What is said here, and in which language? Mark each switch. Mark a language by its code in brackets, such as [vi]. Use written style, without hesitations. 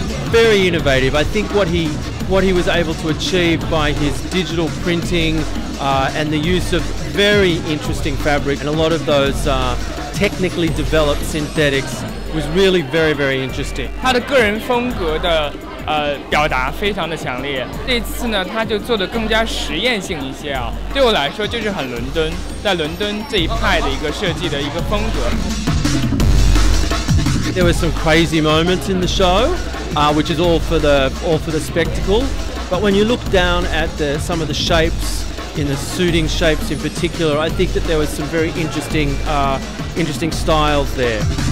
[en] Very innovative. I think what he was able to achieve by his digital printing. And the use of very interesting fabric and a lot of those technically developed synthetics was really very, very interesting. [zh] 他的个人风格的表达非常的强烈。这次呢，他就做得更加实验性一些啊。对我来说，就是很伦敦，在伦敦这一派的一个设计的一个风格。 [en] There were some crazy moments in the show, which is all for the spectacle. But when you look down at some of the shapes. In the suiting shapes in particular, I think that there was some very interesting styles there.